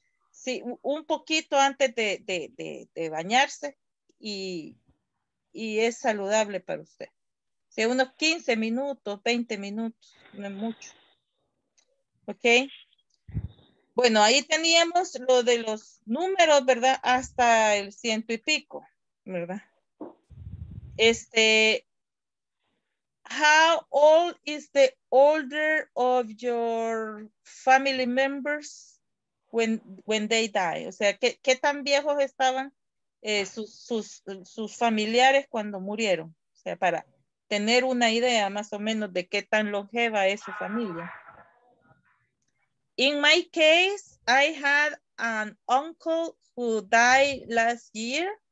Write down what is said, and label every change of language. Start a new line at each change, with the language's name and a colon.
Spanish: Sí, un poquito antes de bañarse y es saludable para usted. O sea, unos 15 minutos, 20 minutos, no es mucho. Okay. Bueno, ahí teníamos lo de los números, ¿verdad? Hasta el ciento y pico, ¿verdad? Este,
English: how old is the older of your family members when they die?
Spanish: O sea, ¿qué tan viejos estaban sus familiares cuando murieron? O sea, para tener una idea más o menos de qué tan longeva es su familia.
English: In my case, I had an uncle who died last year.